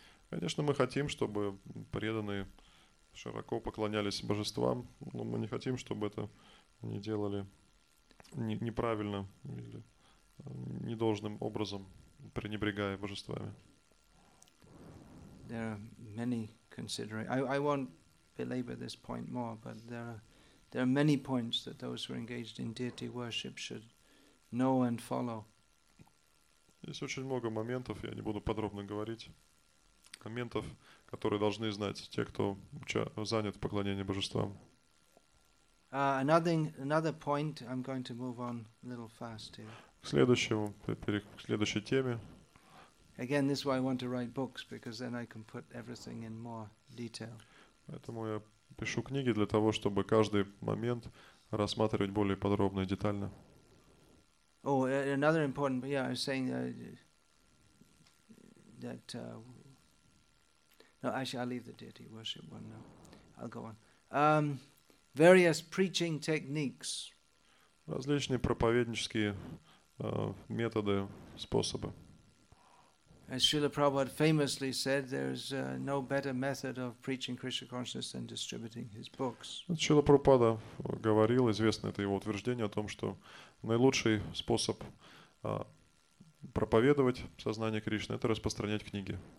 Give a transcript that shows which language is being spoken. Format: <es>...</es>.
<ru>Конечно, мы хотим, чтобы преданные широко поклонялись божествам, но мы не хотим, чтобы это они делали неправильно или недолжным образом, пренебрегая божествами.</ru> <en>There are many considerations. I won't belabor this point more, but there are many points that those who are engaged in deity worship should know and follow.</en> <ru>Есть очень много моментов, я не буду подробно говорить. Моментов, которые должны знать те, кто занят поклонением божествам.</ru> <en>Another point, I'm going to move on a little fast here.</en> <ru>К следующей теме.</ru> <en>Again, this is why I want to write books, because then I can put everything in more detail.</en> <ru>Поэтому я пишу книги для того, чтобы каждый момент рассматривать более подробно и детально.</ru> <en>Another important, but yeah, I was saying that. No, actually, I'll leave the deity worship one now. I'll go on. Various preaching techniques.</en> <ru>Различные проповеднические методы, способы.</ru> <en>As Srila Prabhupada famously said, there is no better method of preaching Krishna consciousness than distributing his books.</en> <ru>Srila Prabhupada говорил, известно это его утверждение о том, что наилучший способ проповедовать сознание Кришны – это распространять книги.</ru>